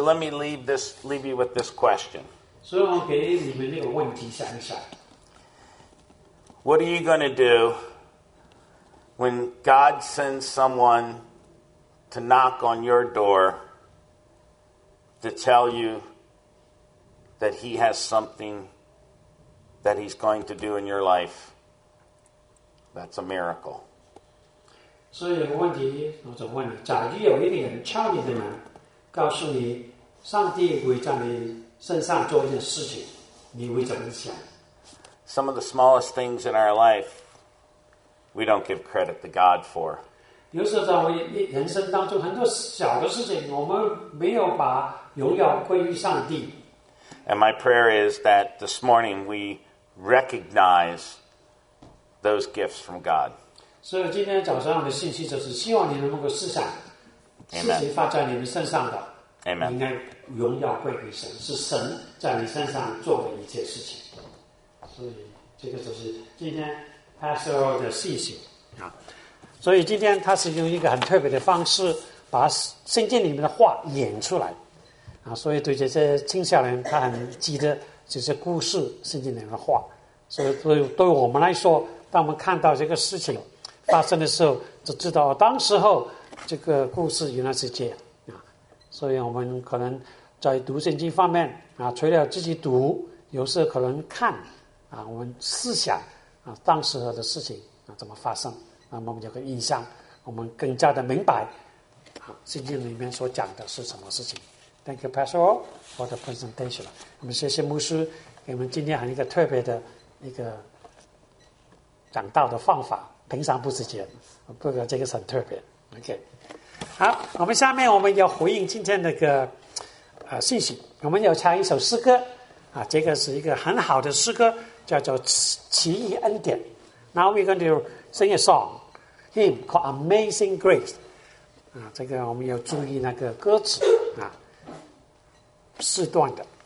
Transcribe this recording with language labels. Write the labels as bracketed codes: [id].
[en] let me leave you with this question. [zh] 所以我给你们那个问题想一想。 [en] What are you going to do when God sends someone to knock on your door to tell you that he has something that he's going to do in your life? That's a miracle. [zh] 所以有个问题我总问你，假如有一个人敲你的门，告诉你上帝会在你身上做一件事情，你会怎么想？ [en] Some of the smallest things in our life we don't give credit to God for. [zh] 有时候在我人生当中很多小的事情我们没有把荣耀归于上帝。 [en] And my prayer is that this morning we recognize those gifts from God. [zh] 所以今天早上的信息就是希望你能够思想事情发在你们身上的。 [en] Amen. [zh] 应该荣耀归给神，是神在你身上做的一切事情。所以这个就是今天 Pastor 的信息。所以今天他是用一个很特别的方式把圣经里面的话演出来。所以对这些青少年他很记得这些故事圣经里面的话，所以对我们来说当我们看到这个事情发生的时候就知道当时候这个故事原来是这样。所以我们可能在读圣经方面除了自己读，有时候可能看我们思想当时候的事情怎么发生，那么我们就会印象我们更加的明白圣经里面所讲的是什么事情。 [en] Thank you, Pastor, for the presentation. [zh] 我们谢谢牧师给我们今天很一个特别的一个讲道的方法，平常不直接，不过这个是很特别。 OK， 好，我们下面我们要回应今天那个信息，我们要唱一首诗歌这个是一个很好的诗歌，叫做《奇异恩典》。 [en] Now we're going to sing a song, hymn called "Amazing Grace." [zh] 这个我们要注意那个歌词四段的。